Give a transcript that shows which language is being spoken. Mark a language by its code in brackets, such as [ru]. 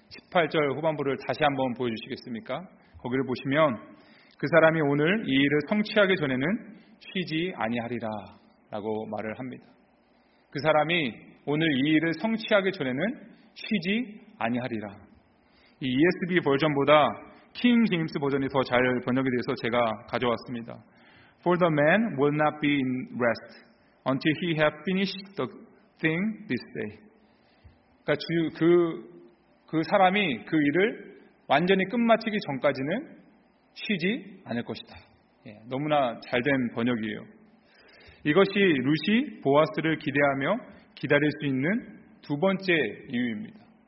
[ko] 18절 후반부를 다시 한번 보여주시겠습니까? 거기를 보시면 그 사람이 오늘 이 일을 성취하기 전에는 쉬지 아니하리라 라고 말을 합니다. 그 사람이 오늘 이 일을 성취하기 전에는 쉬지 아니하리라. 이 ESV 버전보다 킹 제임스 버전이 더 잘 번역이 돼서 제가 가져왔습니다. [en] For the man will not be in rest until he have finished the thing this day. [ko] 그러니까 그 사람이 그 일을 완전히 끝마치기 전까지는 쉬지 않을 것이다. 예, 너무나 잘된 번역이에요. 이것이 룻이 보아스를 기대하며 기다릴 수 있는 두 번째 이유입니다.